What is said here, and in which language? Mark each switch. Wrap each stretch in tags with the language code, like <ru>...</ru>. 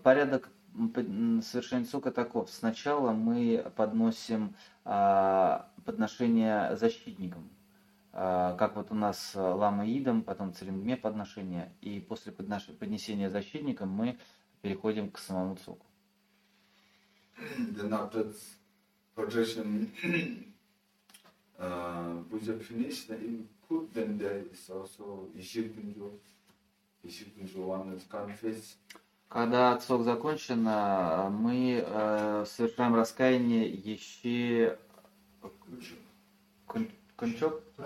<ru>Порядок совершения сока таков. Сначала мы подносим подношение защитникам, как вот у нас Лама Идам, потом Цилингме подношение, и после поднесения защитникам мы переходим к самому соку.</ru> <en>Then after the protection puja finished, the input, then there is also Ishirpinjo one is confess.</en> <ru>Когда цок закончен, мы совершаем раскаяние еще кончок.</ru>